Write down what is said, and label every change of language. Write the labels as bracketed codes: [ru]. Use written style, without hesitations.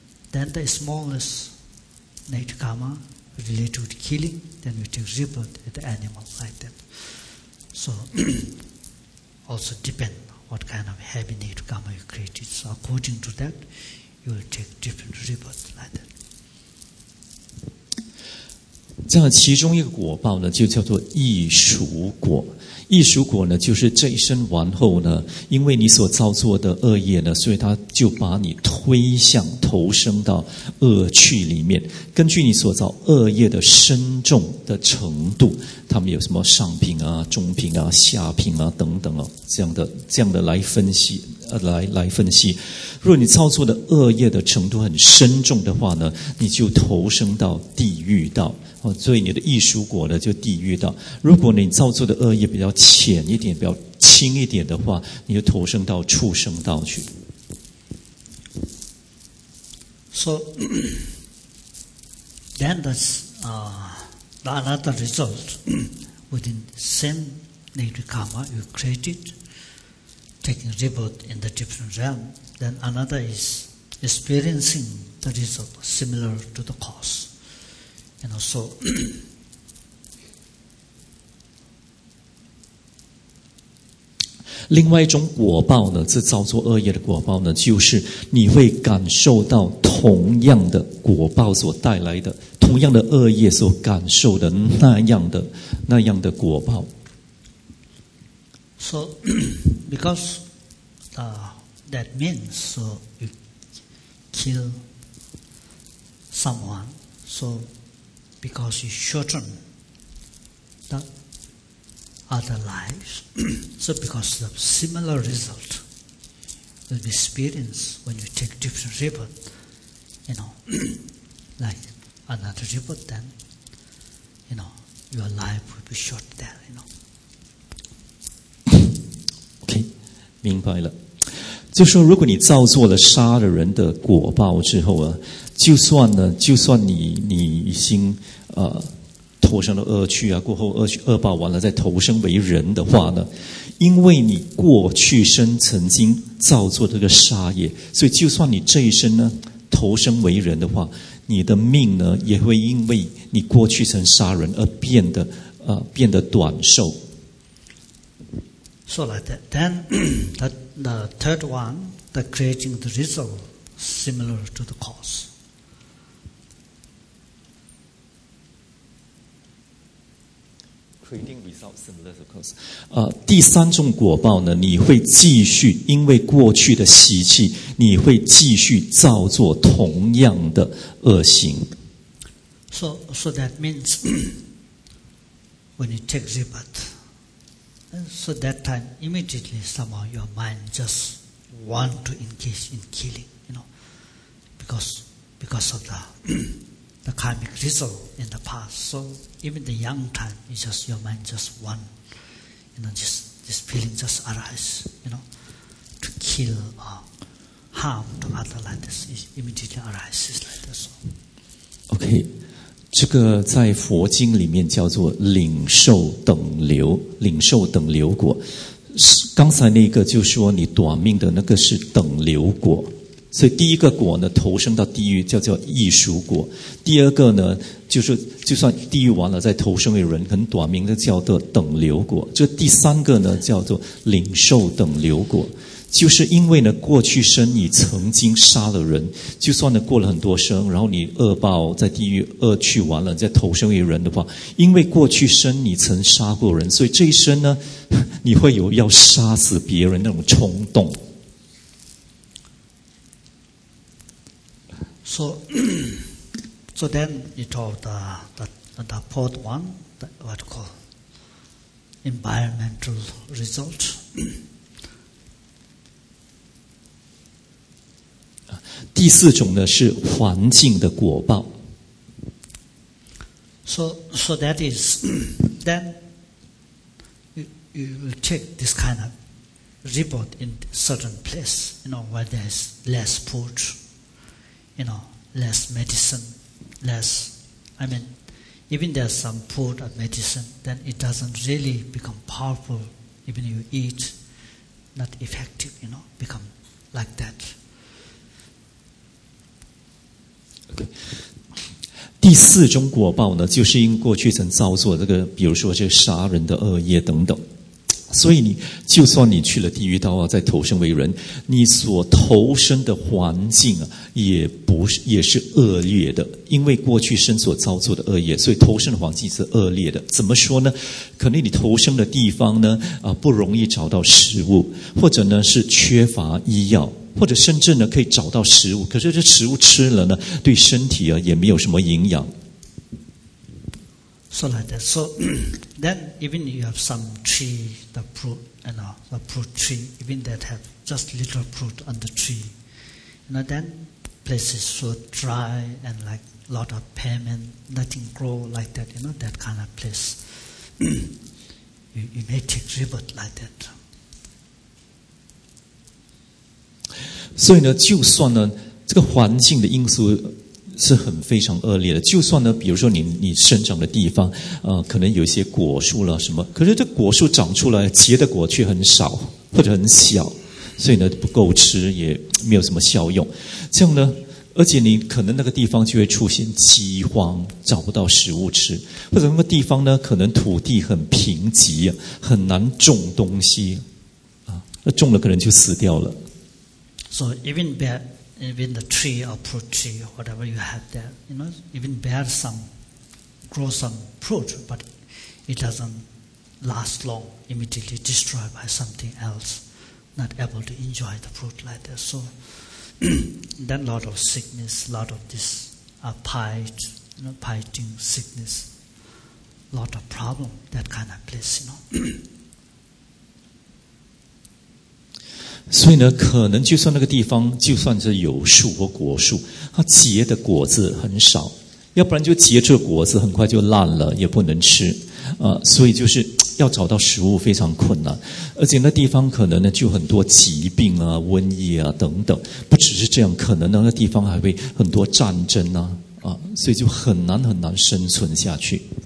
[en] Then the smallest negative karma related with killing, then you take rebirth in the animal like that. So also depend. What kind of heavy need to come you created. So according to that, you will take different rebirth like that. [zh] 这样其中一个果报呢，就叫做易熟果。易熟果呢，就是这一生完后呢，因为你所造作的恶业呢，所以它就把你推向投生到恶趣里面。根据你所造恶业的深重的程度，他们有什么上品啊、中品啊、下品啊等等哦，这样的来分析，来分析。如果你造作的恶业的程度很深重的话呢，你就投生到地狱道。所以你的易熟果呢就地狱道，如果你造作的恶业比较浅一点比较轻一点的话，你就投生到畜生道去。 [en] So then that's another result within same negative karma you created taking rebirth in the different realm, then another is experiencing the result similar to the causeAnd also, [zh] 另外一种果报呢，这造作恶业的果报呢，就是你会感受到同样的果报所带来的，同样的恶业所感受的那样的果报。 [en] So, because that means so you kill someone, so. Because you shorten the other lives, so because of the similar result will be experienced when you take different rebirth, you know, like another rebirth, then, you know, your life will be short there, you know. [zh] Okay, 明白了。就说如果你造作了杀了人的果报之后啊，就算呢，就算你已经投生了恶趣啊，过后恶报完了再投生为人的话呢，因为你过去生曾经造作这个杀业，所以就算你这一生呢投生为人的话，你的命呢也会因为你过去曾杀人而变得短寿。 [en] So like that, then the third one, the creating the result similar to the cause. [zh] 第三种果报呢，你会继续因为过去的习气，你会继续造作同样的恶行。 [en] So that means when you take rebirth, so that time immediately somehow your mind just want to engage in killing, you know, because of the karmic result in the past. So even the young time, it's just your mind just want, you know, just this feeling just arise, you know, to kill or harm to other like this, it immediately arises like this. Okay, [zh] 这个在佛经里面叫做领受等流，领受等流果。刚才那个就说你短命的那个是等流果，所以第一个果呢投生到地狱叫做异熟果，第二个呢就是就算地狱完了再投生为人很短命的叫做等流果，这第三个呢叫做领受等流果。就是因为呢过去生你曾经杀了人，就算呢过了很多生然后你恶报在地狱恶去完了再投生为人的话，因为过去生你曾杀过人，所以这一生呢你会有要杀死别人那种冲动。 [en] So, so then you talk the fourth one, the, what you call environmental result. [zh] 第四种呢是环境的果报。 [en] So that is, then you will take this kind of report in certain place, you know, where there's less food, you know. Less medicine, less. I mean, even there's some food or medicine, then it doesn't really become powerful. Even you eat, not effective, you know, become like that. Okay. [zh] 第四种果报呢，就是因过去曾造作这个，比如说这杀人的恶业等等。所以你就算你去了地狱道啊，再投生为人，你所投生的环境啊，也是恶劣的，因为过去生所造作的恶业，所以投生的环境是恶劣的。怎么说呢？可能你投生的地方呢，不容易找到食物，或者呢是缺乏医药，或者甚至呢可以找到食物，可是这食物吃了呢，对身体啊也没有什么营养。 [en] So like that. So then, even you have some tree, the fruit, you know, the fruit tree, even that have just little fruit on the tree. You know, then places so dry and like a lot of pavement, nothing grow like that, you know, that kind of place. you may take rebirth like that. [zh] 所以呢，就算呢，这个环境的因素是很非常恶劣的，就算呢比如说你生长的地方可能有一些果树了什么，可是这果树长出来结的果却很少或者很小，所以呢不够吃也没有什么效用，这样呢而且你可能那个地方就会出现饥荒，找不到食物吃，或者那个地方呢可能土地很贫瘠很难种东西种了可能就死掉了。 [en] So even bearEven the tree or fruit tree, whatever you have there, you know, even bear some, grow some fruit, but it doesn't last long, immediately destroyed by something else, not able to enjoy the fruit like that. So, then a lot of sickness, a lot of this, piting sickness, a lot of problem, that kind of place, you know. [zh] 所以呢可能就算那个地方就算是有树或果树它结的果子很少，要不然就结这果子很快就烂了也不能吃所以就是要找到食物非常困难，而且那地方可能呢就很多疾病啊瘟疫啊等等，不只是这样可能那个地方还会很多战争所以就很难很难生存下去。